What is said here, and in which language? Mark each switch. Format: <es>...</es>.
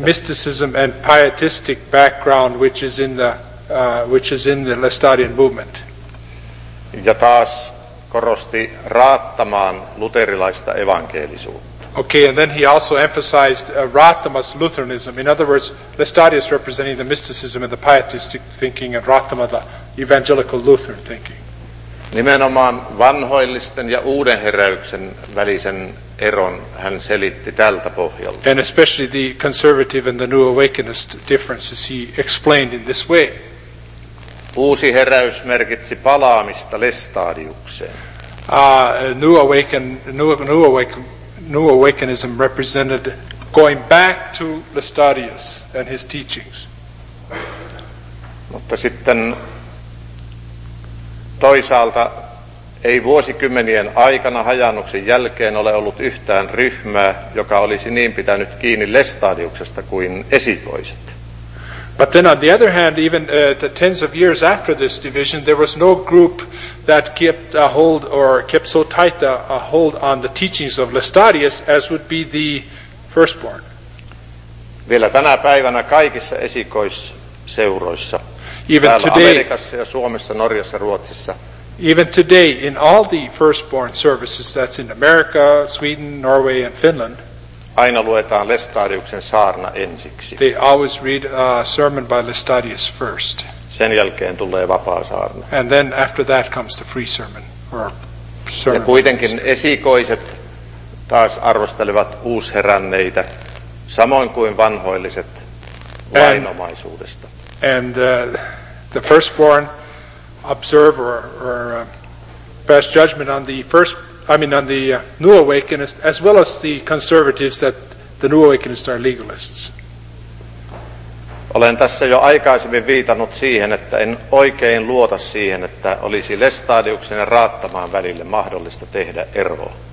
<en>Mysticism and pietistic background, which is in the Lestadian movement.</en> <fi>Ja taas korosti raattamaan luterilaista evankelisuutta.</fi> <en>Okay, and then he also emphasized Rathamas Lutheranism. In other words, Lestadius representing the mysticism and the pietistic thinking, and Rathama the evangelical Lutheran thinking.</en> <fi>Nimenomaan vanhoillisten ja uuden heräyksen välisen eron hän selitti tältä pohjalta.</fi> <en>And especially the conservative and the new awakenist differences he explained in this way.</en> <fi>Uusi heräys merkitsi palaamista Lestadiukseen.</fi> <en>New Awakenism represented going back to Lestadius and his teachings.</en> <fi>Mutta sitten toisaalta ei vuosikymmenien aikana hajannuksen jälkeen ole ollut yhtään ryhmää, joka olisi niin pitänyt kiinni Lestadiuksesta kuin esikoiset.</fi> <en>But then on the other hand, even the tens of years after this division, there was no group that kept a hold or kept so tight a hold on the teachings of Lestadius as would be the firstborn.</en> <fi>Vielä tänä päivänä kaikissa esikoisseuroissa,</fi> <en>even today,</en> <fi>Amerikassa ja Suomessa, Norjassa, Ruotsissa.</fi> <en>Even today, in all the firstborn services, that's in America, Sweden, Norway and Finland,</en> <fi>aina luetaan Lestadiuksen saarna ensiksi.</fi> <en>They always read a sermon by Lestadius first.</en> <fi>Sen jälkeen tulee vapaa saarna.</fi> <en>And then after that comes the free sermon. Or sermon.</en> <fi>Ja kuitenkin esikoiset taas arvostelevat uusheränneitä, samoin kuin vanhoilliset lainomaisuudesta.</fi> <en>And the firstborn observe or pass judgment on the first. New Awakenist, as well as the conservatives, that the New Awakenists are legalists.</en> <fi>Olen tässä jo aikaisemmin viitannut siihen, että en oikein luota siihen, että olisi Lestadiuksen ja Raattamaan välille mahdollista tehdä eroa.</fi>